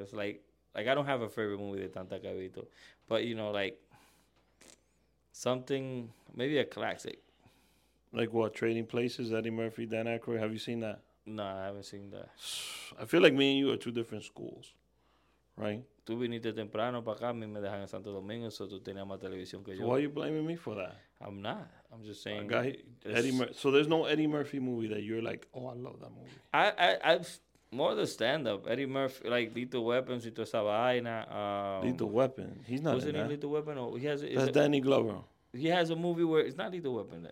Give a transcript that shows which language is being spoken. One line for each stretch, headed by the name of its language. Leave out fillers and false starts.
English: It's like I don't have a favorite movie
Spanish: de Tanta Cabito.
English: But, you know, like, something, maybe a classic. Like what, Trading Places, Eddie Murphy, Dan Aykroyd? Have you seen that? No, I haven't seen that. I feel like me and you are two different schools, right?
Spanish: Tú viniste temprano para acá, a mí me dejan en Santo Domingo, so tú tenías más televisión que yo.
English: Why are you blaming me for that? I'm not. I'm just saying. So there's no Eddie Murphy movie that you're like, oh, I love that movie. I've more the stand-up. Eddie Murphy, like, Lethal Weapon,
Spanish: si tú esa vaina.
English: Lethal Weapon? He's not in that. Wasn't he Lethal Weapon? Or he has, that's Danny Glover. He has a movie where it's not Lethal Weapon.